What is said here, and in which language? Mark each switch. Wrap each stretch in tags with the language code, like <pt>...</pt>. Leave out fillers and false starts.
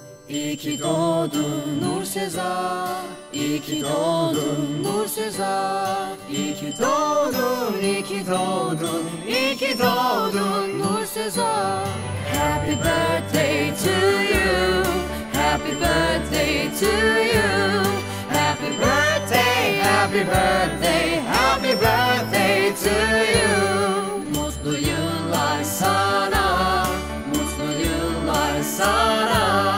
<tr>İyi ki doğdun Nur Sezar, İyi ki doğdun Nur Sezar, İyi ki doğdun, İyi ki doğdun, İyi ki doğdun Nur Sezar.</tr> <en>Happy birthday to you, happy birthday to you, happy birthday, happy birthday, happy birthday to you.</en> <tr>Mutlu yıllar sana, mutlu yıllar sana.</tr>